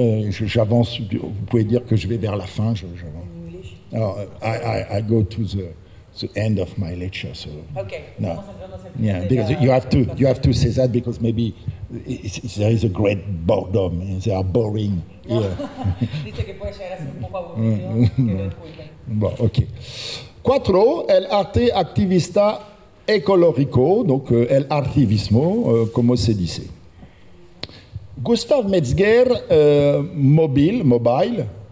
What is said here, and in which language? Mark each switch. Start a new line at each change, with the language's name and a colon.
French: J'avance, vous pouvez dire que je vais vers la fin.
English: I go to the end of my lecture. So. Okay. No. Yeah, because you have to say that because maybe there is a great boredom. They are boring.
Spanish: Dice que puede llegar a ser un poco aburrido.
French: Bon, ok.
Spanish: Cuatro, el arte activista ecológico, donc el artivismo, como se dice.
English: Gustav Metzger, mobile.